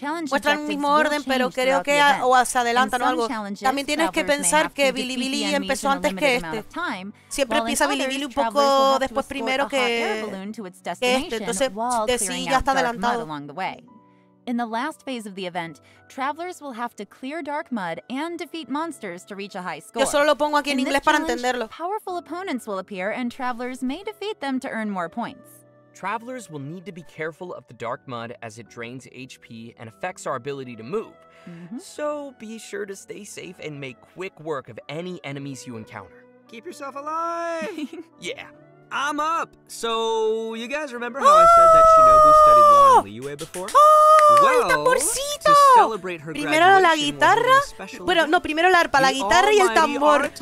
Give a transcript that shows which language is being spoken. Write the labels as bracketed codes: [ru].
[es] Muestran el mismo orden, pero creo que o se adelantan o algo. También tienes que pensar que Bilibili empezó antes que este. Siempre empieza Bilibili un poco después primero que este. Entonces, sí, ya está adelantado. [en] In the last phase of the event, travelers will have to clear dark mud and defeat monsters to reach a high score. [es] Yo solo lo pongo aquí en inglés para entenderlo. [en] Powerful opponents will appear and travelers may defeat them to earn more points. Travelers will need to be careful of the dark mud as it drains HP and affects our ability to move. Mm-hmm. So be sure to stay safe and make quick work of any enemies you encounter. Keep yourself alive. Yeah. I'm up. So, you guys remember how I said that Shinobu studied law in Liyue before? Oh, well, [es] el tamborcito. Primero la guitarra. Bueno, no, primero la arpa, la guitarra y el tambor.